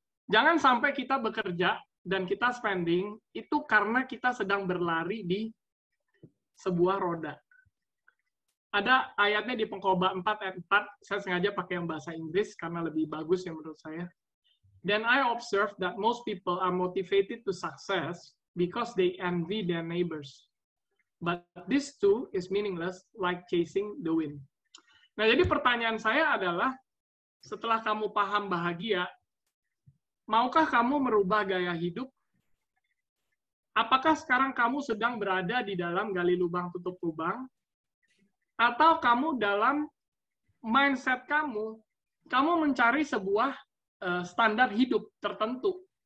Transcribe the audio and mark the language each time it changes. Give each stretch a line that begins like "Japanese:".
Indonesian: Jangan sampai kita bekerja dan kita spending itu karena kita sedang berlari di sebuah roda. Ada ayatnya di Pengkhotbah 4 ayat 4, saya sengaja pakai yang bahasa Inggris karena lebih bagus ya menurut saya.
English: Then I observe that most people are motivated to success because they envy their neighbors. But this too is meaningless, like chasing the wind.
Indonesian: Nah, jadi pertanyaan saya adalah, setelah kamu paham bahagia, maukah kamu merubah gaya hidup? Apakah sekarang kamu sedang berada di dalam gali lubang tutup lubang? Atau kamu dalam mindset kamu, kamu mencari sebuah standar hidup tertentu?